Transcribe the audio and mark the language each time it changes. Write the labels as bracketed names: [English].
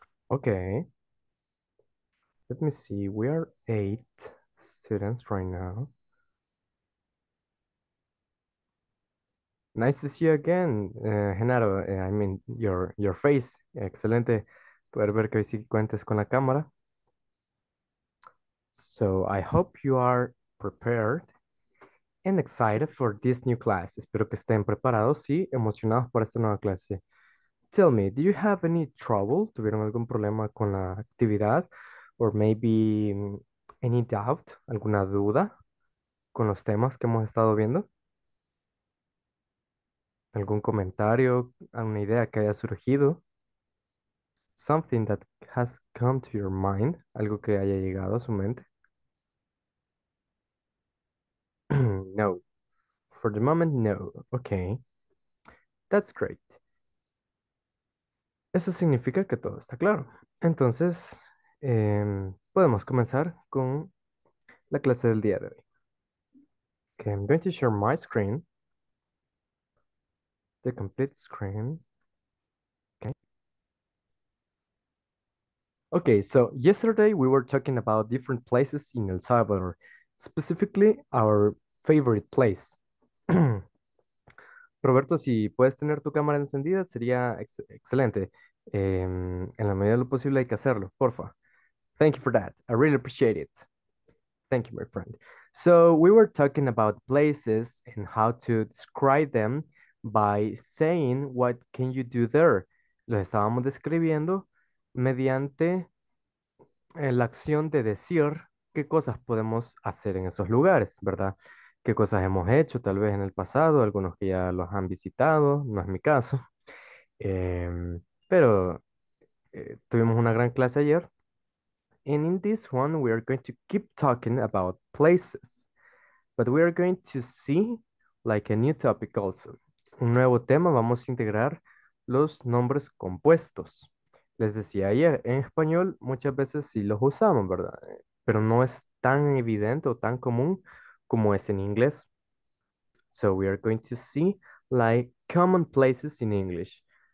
[English] Okay. Let me see. We are eight students right now. Nice to see you again, Genaro. I mean, your face. Excelente. [Spanish] Poder ver que hoy sí cuentes con la cámara. [English] So, I hope you are prepared and excited for this new class. [Spanish] Espero que estén preparados y emocionados por esta nueva clase. [English] Tell me, do you have any trouble? [Spanish] ¿Tuvieron algún problema con la actividad? [English] Or maybe any doubt? [Spanish] ¿Alguna duda con los temas que hemos estado viendo? ¿Algún comentario? ¿Alguna idea que haya surgido? [English] Something that has come to your mind, [Spanish] algo que haya llegado a su mente. [English] No. For the moment, no. Okay. That's great. [Spanish] Eso significa que todo está claro. Entonces, podemos comenzar con la clase del día de [English] okay, I'm going to share my screen. The complete screen. Okay, so yesterday we were talking about different places in El Salvador, specifically our favorite place. [Spanish] Roberto, si puedes tener tu cámara encendida, sería ex excelente. En la medida de lo posible hay que hacerlo, porfa. [English] Thank you for that. I really appreciate it. Thank you, my friend. So we were talking about places and how to describe them by saying what can you do there. [Spanish] Lo estábamos describiendo mediante la acción de decir qué cosas podemos hacer en esos lugares, ¿verdad? Qué cosas hemos hecho tal vez en el pasado, algunos que ya los han visitado, no es mi caso. Pero tuvimos una gran clase ayer. [English] And in this one, we are going to keep talking about places. But we are going to see like a new topic also. [Spanish] Un nuevo tema, vamos a integrar los nombres compuestos. Les decía ayer, en español muchas veces sí los usamos, ¿verdad? Pero no es tan evidente o tan común como es en inglés. [English] So we are going to see like common places in English.